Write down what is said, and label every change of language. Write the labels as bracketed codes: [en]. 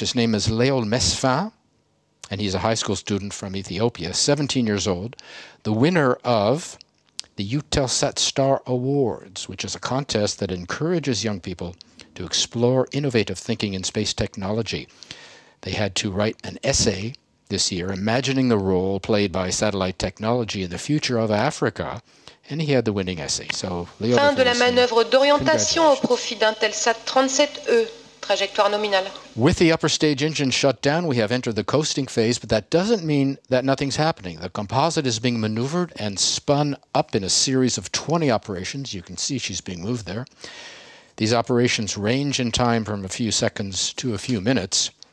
[en] His name is Léol Mesfin, and he's a high school student from Ethiopia, 17 years old, the winner of the Eutelsat Star Awards, which is a contest that encourages young people to explore innovative thinking in space technology. They had to write an essay this year imagining the role played by satellite technology in the future of Africa. And he had the winning essay. So, Léol, [fr] fin de la manœuvre d'orientation au profit d'Intelsat 37E, trajectoire nominale. [en] With the upper stage engine shut down, we have entered the coasting phase, but that doesn't mean that nothing's happening. The composite is being maneuvered and spun up in a series of 20 operations. You can see she's being moved there. These operations range in time from a few seconds to a few minutes.